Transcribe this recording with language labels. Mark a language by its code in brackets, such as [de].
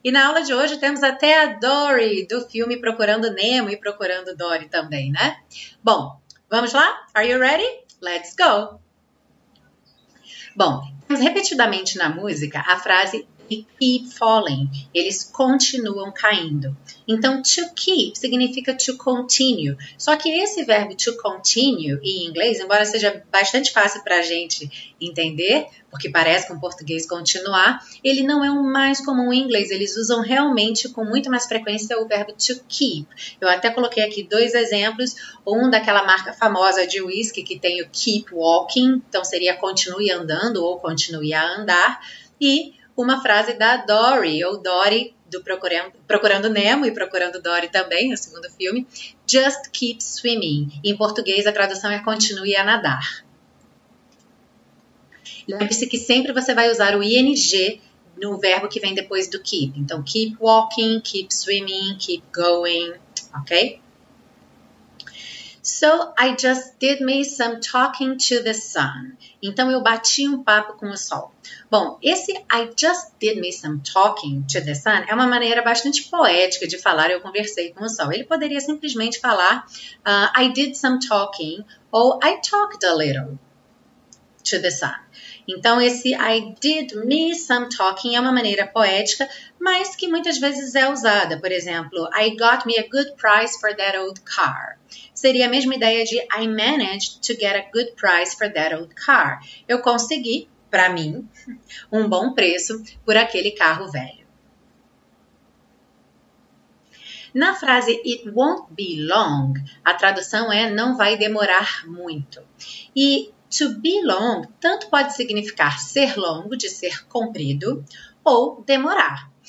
[pt] E na aula de hoje temos até a Dory do filme Procurando Nemo e Procurando Dory também, né? Bom, vamos lá? [en] Are you ready? Let's go! [pt] Bom, temos repetidamente na música a frase keep falling, eles continuam caindo. Então, to keep significa to continue. Só que esse verbo to continue em inglês, embora seja bastante fácil para a gente entender, porque parece com o português continuar, ele não é o mais comum em inglês. Eles usam realmente com muito mais frequência o verbo to keep. Eu até coloquei aqui dois exemplos, um daquela marca famosa de whisky que tem o keep walking, então seria continue andando ou continue a andar, e uma frase da Dory, ou Dory, do Procurando Nemo e Procurando Dory também, no segundo filme. [en] Just keep swimming. [pt] Em português, a tradução é continue a nadar. Lembre-se que sempre você vai usar o ing no verbo que vem depois do keep. Então, keep walking, keep swimming, keep going, ok? [en] So I just did me some talking to the sun. [pt] Então eu bati um papo com o sol. Bom, esse [en] I just did me some talking to the sun [pt] é uma maneira bastante poética de falar eu conversei com o sol. Ele poderia simplesmente falar [en] I did some talking [pt] ou [en] I talked a little to the sun. [pt] Então esse [en] I did me some talking [pt] é uma maneira poética, mas que muitas vezes é usada. Por exemplo, [en] I got me a good price for that old car. [pt] Seria a mesma ideia de [en] I managed to get a good price for that old car. [pt] Eu consegui, para mim, um bom preço por aquele carro velho. Na frase [en] it won't be long, [pt] a tradução é não vai demorar muito. E to be long tanto pode significar ser longo, de ser comprido, ou demorar.